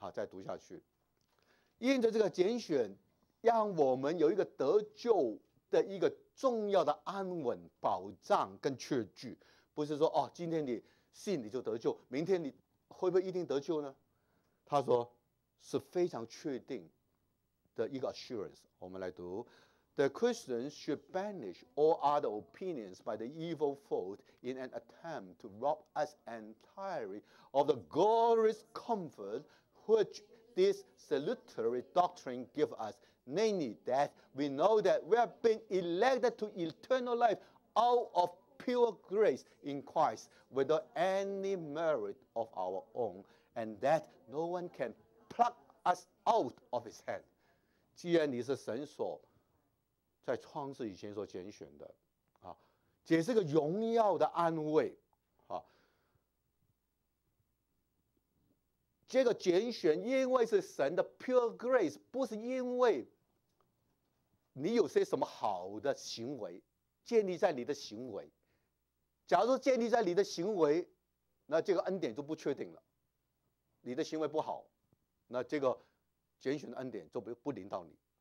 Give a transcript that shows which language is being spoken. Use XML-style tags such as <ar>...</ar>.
<zh>好，再读下去，因着这个拣选让我们有一个得救的一个重要的安稳保障跟确据，不是说哦，今天你信你就得救，明天你会不会一定得救呢？他说是非常确定的一个 assurance。</zh> <en>我们来读 The Christians should banish all other opinions by the evil fault in an attempt to rob us entirely of the glorious comfort which this salutary doctrine give us, namely that we know that we have been elected to eternal life out of pure grace in Christ without any merit of our own, and that no one can pluck us out of his hand.</en> <zh>既然你是神所在创世以前所拣选的，这是个荣耀的安慰。这个拣选因为是神的 pure grace， 不是因为你有些什么好的行为，建立在你的行为，假如建立在你的行为，那这个恩典就不确定了，你的行为不好，那这个拣选的恩典就不临到你。</zh>